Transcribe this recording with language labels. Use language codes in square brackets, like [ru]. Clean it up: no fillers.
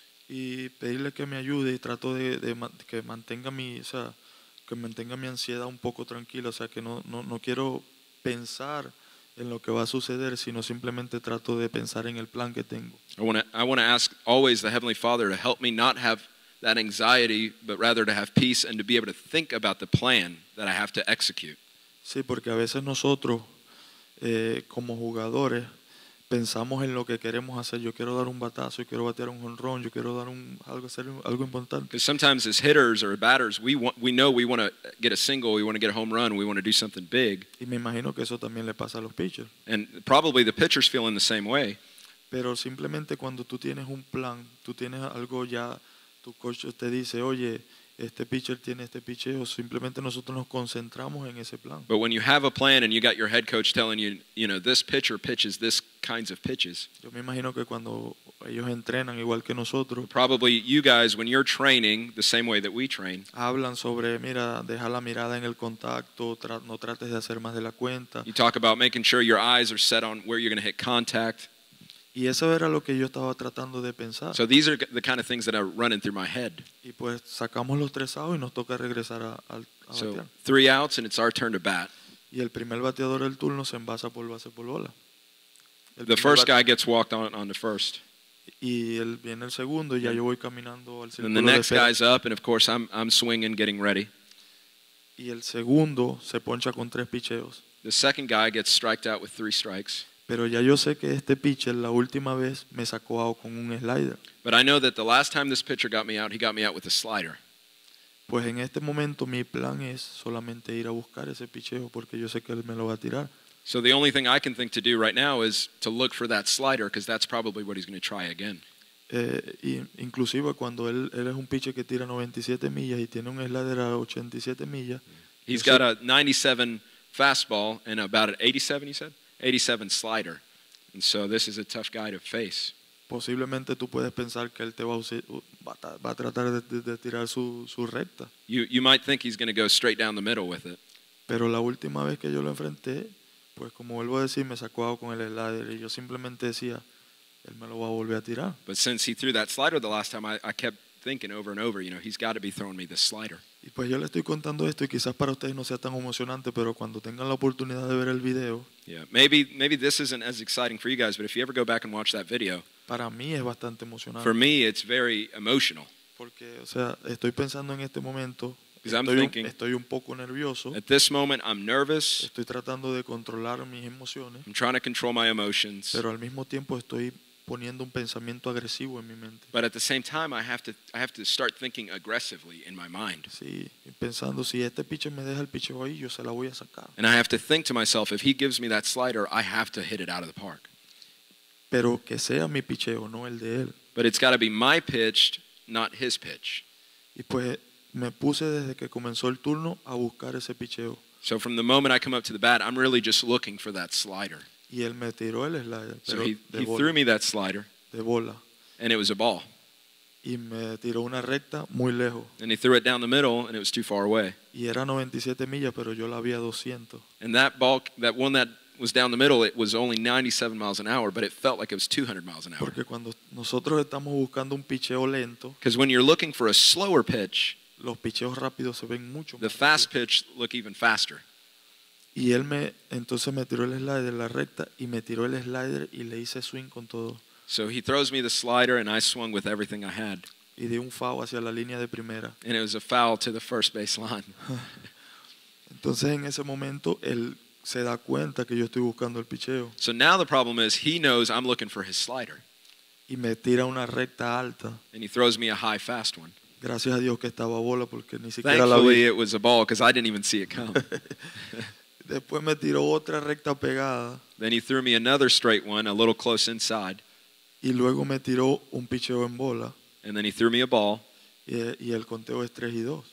[es] Y pedirle que me ayude y trato de que mantenga mi, o sea, que mantenga mi ansiedad un poco tranquila, o sea, que no quiero pensar en lo que va a suceder, sino simplemente trato de pensar en el plan que tengo. [en] I want to ask always the Heavenly Father to help me not have that anxiety, but rather to have peace and to be able to think about the plan that I have to execute. [es] Sí, porque a veces nosotros como jugadores pensamos en lo que queremos hacer. Yo quiero dar un batazo, yo quiero batear un jonrón, yo quiero dar algo importante. [en] Because sometimes as hitters or batters, we know we want to get a single, we want to get a home run, we want to do something big. [es] Y me imagino que eso también le pasa a los pitchers. [en] And probably the pitchers feel in the same way. [es] Pero simplemente cuando tú tienes un plan, tú tienes algo ya, tu coach te dice, oye, este pitcher tiene este picheo, simplemente nosotros nos concentramos en ese plan. [en] But when you have a plan and you got your head coach telling you, you know, this pitcher pitches this kinds of pitches. [es] Yo me imagino que cuando ellos entrenan igual que nosotros. [en] Probably you guys, when you're training, the same way that we train. [es] Hablan sobre, mira, deja la mirada en el contacto, no trates de hacer más de la cuenta. [en] You talk about making sure your eyes are set on where you're going to hit contact. [es] Y eso era lo que yo estaba tratando de pensar. [en] So these are the kind of things that are running through my head. [es] Y pues sacamos los tres outs y nos toca regresar a batear. [en] So three outs and it's our turn to bat. [es] Y el primer bateador del turno se envasa por base por bola. [en] The first guy gets walked on the first. [es] Y él viene el segundo y ya yo voy caminando al círculo. [en] And the next guy's up and of course I'm swinging, getting ready. [es] Y el segundo se poncha con tres picheos. [en] The second guy gets striked out with three strikes. [es] Pero ya yo sé que este pitcher la última vez me sacó out con un slider. [en] But I know that the last time this pitcher got me out, he got me out with a slider. [es] Pues en este momento mi plan es solamente ir a buscar ese picheo porque yo sé que él me lo va a tirar. [en] So the only thing I can think to do right now is to look for that slider because that's probably what he's going to try again. [es] Inclusive cuando él es un pitcher que tira 97 millas y tiene un slider a 87 millas. [en] He's got a 97 fastball and about an 87, you said? 87 slider. And so this is a tough guy to face. [es] Posiblemente tú puedes pensar que él te va a tratar de tirar su recta. [en] You might think he's going to go straight down the middle with it. [es] Pero la última vez que yo lo enfrenté, pues como vuelvo a decir, me sacó algo con el slider y yo simplemente decía, él me lo va a volver a tirar. [en] But since he threw that slider the last time, I kept thinking over and over, you know, he's got to be throwing me this slider. [es] Y pues yo le estoy contando esto y quizás para ustedes no sea tan emocionante, pero cuando tengan la oportunidad de ver el video. [en] Yeah, maybe this isn't as exciting for you guys, but if you ever go back and watch that video. [es] Para mí es bastante emocionante. [en] For me, it's very emotional. [es] Porque, o sea, estoy pensando en este momento. Estoy un poco nervioso. [en] At this moment, I'm nervous. [es] Estoy tratando de controlar mis emociones. [en] I'm trying to control my emotions. [es] Pero al mismo tiempo estoy poniendo un pensamiento agresivo en mi mente. [en] But at the same time, I have to start thinking aggressively in my mind. [es] Sí, pensando si este pitcher me deja el picheo ahí, yo se la voy a sacar. [en] And I have to think to myself, if he gives me that slider, I have to hit it out of the park. [es] Pero que sea mi picheo, no el de él. [en] But it's got to be my pitch, not his pitch. [es] Y pues me puse desde que comenzó el turno a buscar ese picheo. [en] So from the moment I come up to the bat, I'm really just looking for that slider. [es] Y él me tiró el slider, [en] so he threw me that slider. [es] De bola. [en] And it was a ball. [es] Y me tiró una recta muy lejos. [en] And he threw it down the middle and it was too far away. [es] Y era 97 millas, pero yo la vi a 200. [en] And that ball, that one that was down the middle, it was only 97 miles an hour, but it felt like it was 200 miles an hour. [es] Porque cuando nosotros estamos buscando un picheo lento, [en] because when you're looking for a slower pitch, [es] los picheos rápidos se ven mucho más. [en] The fast pitch look even faster. [es] Y él me entonces me tiró el slider la recta y me tiró el slider y le hice swing con todo. [en] So he throws me the slider and I swung with everything I had. [es] Y di un foul hacia la línea de primera. [en] And it was a foul to the first baseline. [es] Entonces en ese momento él se da cuenta que yo estoy buscando el picheo. [en] So now the problem is he knows I'm looking for his slider. [es] Y me tira una recta alta. [en] And he throws me a high fast one. [es] Gracias a Dios que estaba bola porque ni siquiera [en] Thankfully, [es] la vi. [en] Thankfully it was a ball because I didn't even see it come. [es] Después me tiró otra recta pegada. [en] Then he threw me another straight one, a little close inside. [es] Y luego me tiró un picheo en bola. [en] And then he threw me a ball. [es] Y el conteo es 3 y 2.